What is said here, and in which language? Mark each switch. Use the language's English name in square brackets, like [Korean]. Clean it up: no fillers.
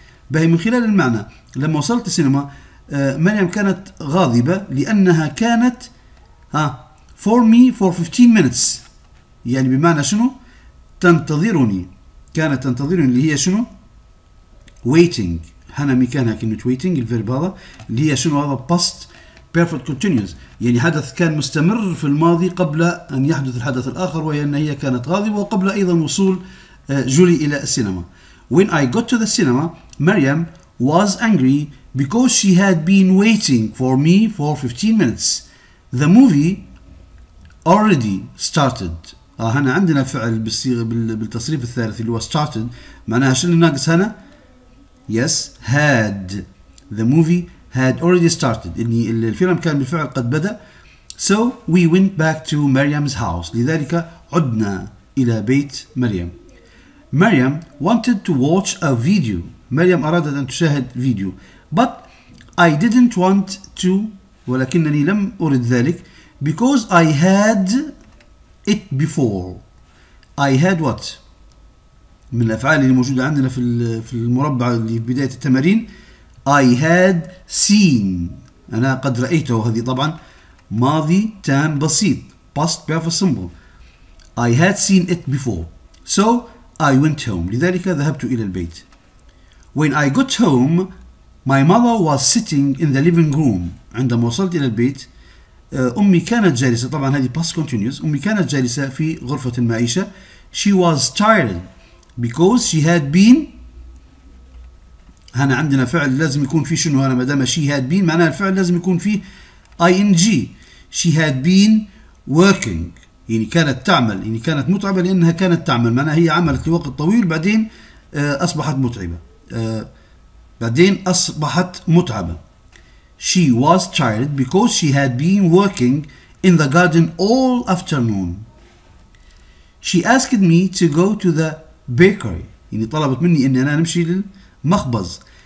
[Arabic] بهي من خلال المعنى، لما وصلت السينما مريم كانت غاضبة لأنها كانت [English] for me for 15 minutes، [Arabic] يعني بمعنى شنو؟ تنتظرني، كانت تنتظرني اللي هي شنو؟ waiting. هنا مكانها كلمة waiting الفيرب هذا اللي هي شنو؟ هذا past perfect continuous، يعني حدث كان مستمر في الماضي قبل أن يحدث الحدث الآخر، وهي أن هي كانت غاضبة وقبل أيضا وصول جولي إلى السينما. [English] When I got to the cinema, Maryam was angry because she had been waiting for me for 15 minutes. The movie already started. [Arabic] هنا عندنا فعل بالصيغة بالتصريف الثالث اللي هو started، معناها شنو ناقص هنا؟ [English] Yes, had. The movie had already started. [Arabic] يعني الفيلم كان بالفعل قد بدأ. [English] So we went back to Maryam's house. [Arabic] لذلك عدنا إلى بيت مريم. [English] Maryam wanted to watch a video. [Arabic] مريم أرادت أن تشاهد فيديو. [English] But I didn't want to، [Arabic] ولكنني لم أرد ذلك. [English] Because I had it before. I had what؟ [Arabic] من الافعال اللي موجوده عندنا في المربع اللي في بدايه التمارين [English] I had seen، [Arabic] انا قد رايته، هذه طبعا ماضي تام بسيط past perfect simple. [English] I had seen it before so I went home، [Arabic] لذلك ذهبت الى البيت. [English] When I got home my mother was sitting in the living room، [Arabic] عندما وصلت الى البيت امي كانت جالسه، طبعا هذه past continuous، امي كانت جالسه في غرفه المعيشه. [English] She was tired because she had been، [Arabic] هنا عندنا فعل لازم يكون فيه شنو، هنا ما دام she had been معناها الفعل لازم يكون فيه ing، [English] she had been working [Arabic] يعني كانت تعمل، يعني كانت متعبه لانها كانت تعمل، معناها هي عملت لوقت طويل بعدين اصبحت متعبه، بعدين اصبحت متعبه. [English] She was tired because she had been working in the garden all afternoon. She asked me to go to the bakery. [Arabic] يعني طلبت مني إني أنا نمشي للمخبز.